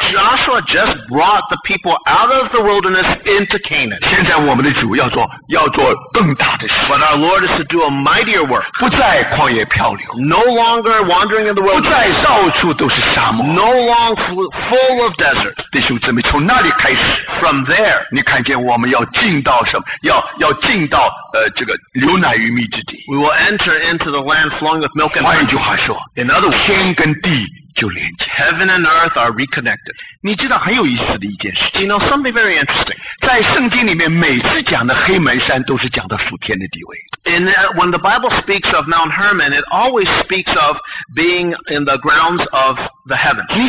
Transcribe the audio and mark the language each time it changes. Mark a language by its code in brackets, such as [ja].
[en] Joshua just brought the people out of the wilderness into Canaan. [zh] 现在我们的主要做更大的事, [en] but our Lord is to do a mightier work. [zh] 不再旷野漂流, [en] no longer wandering in the world, [zh] 不再到处都是沙漠, [en] no longer full of desert. [zh] 弟兄姊妹，从那里开始, [en] from there, [zh] 你看见我们要进到什么？要进到这个流奶与蜜之地。 [en] We will enter into the land flowing with milk and honey. [zh] 换一句话说, [en] in other words, [zh] 天跟地就连接, [en] heaven and earth are reconnected. [zh] 你知道很有意思的一件事情, [en] you know something very interesting. [zh] 在圣经里面每次讲的黑门山都是讲的属天的地位。 [en] When the Bible speaks of Mount Hermon, it always speaks of being in the grounds of the heavens.